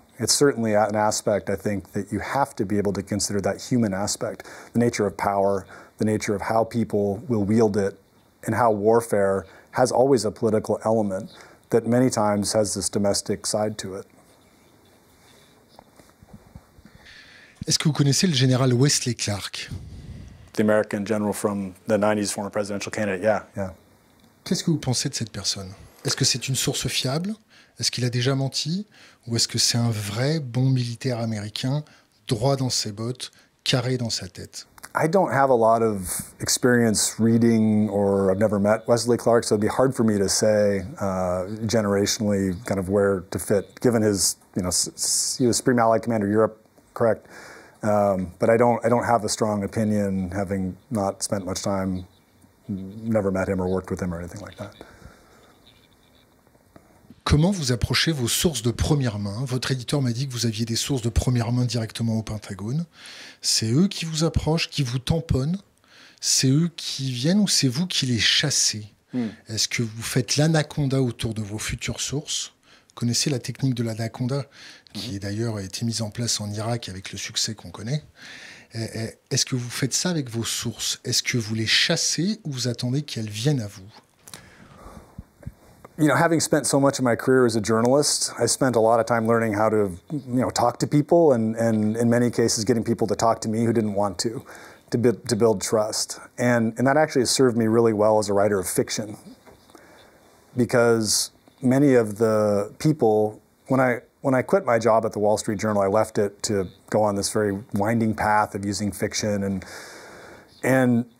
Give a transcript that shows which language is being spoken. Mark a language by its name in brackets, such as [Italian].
[English] It's certainly an aspect, I think, that you have to be able to consider, that human aspect, the nature of power, the nature of how people will wield it, and how warfare has always a political element that many times has this domestic side to it. [French] Est-ce que vous connaissez le général Wesley Clark? [English] The American general from the 90s, former presidential candidate, yeah. [French] Qu'est-ce que vous pensez de cette personne? Est-ce que c'est une source fiable? Est-ce qu'il a déjà menti? Ou est-ce que c'est un vrai bon militaire américain, droit dans ses bottes, carré dans sa tête? [English] I don't have a lot of experience reading, or I've never met Wesley Clark, so it'd be hard for me to say generationally kind of where to fit, given his, you know, he was Supreme Allied Commander of Europe, correct? But I don't have a strong opinion, having not spent much time, never met him or worked with him or anything like that. [French] Comment vous approchez vos sources de première main? Votre éditeur m'a dit que vous aviez des sources de première main directement au Pentagone. C'est eux qui vous approchent, qui vous tamponnent? C'est eux qui viennent ou c'est vous qui les chassez? Est-ce que vous faites l'anaconda autour de vos futures sources? Connaissez la technique de l'anaconda, qui d'ailleurs a été mise en place en Irak avec le succès qu'on connaît. Est-ce que vous faites ça avec vos sources? Est-ce que vous les chassez ou vous attendez qu'elles viennent à vous? [English] You know, having spent so much of my career as a journalist, I spent a lot of time learning how to, you know, talk to people, and in many cases getting people to talk to me who didn't want to build trust. And that actually has served me really well as a writer of fiction, because many of the people, when I quit my job at the Wall Street Journal, I left it to go on this very winding path of using fiction, and